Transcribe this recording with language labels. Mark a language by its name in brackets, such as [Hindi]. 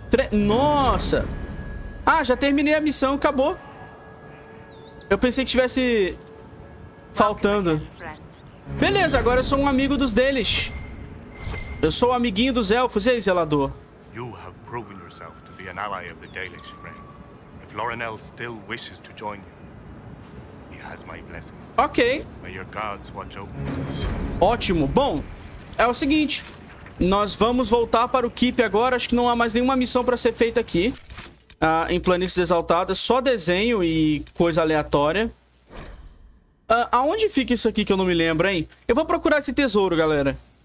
[Portuguese] Nossa. Ah, já terminei a missão. Acabou. Eu pensei que tivesse faltando. Beleza, agora eu sou um amigo dos deles. Eu sou um amiguinho dos elfos. E aí, zelador? [English] You have proven yourself to be an ally of the Daelish, Frank. If Lorinel still wishes to join you, he has my blessing. Ok. May your guards watch over. [Portuguese] Ótimo. Bom, é o seguinte. Nós vamos voltar para o Keep agora. Acho que não há mais nenhuma missão para ser feita aqui. Em Planícies Exaltadas. Só desenho e coisa aleatória. Aonde fica isso aqui que eu não me lembro, hein? Eu vou procurar esse tesouro, galera.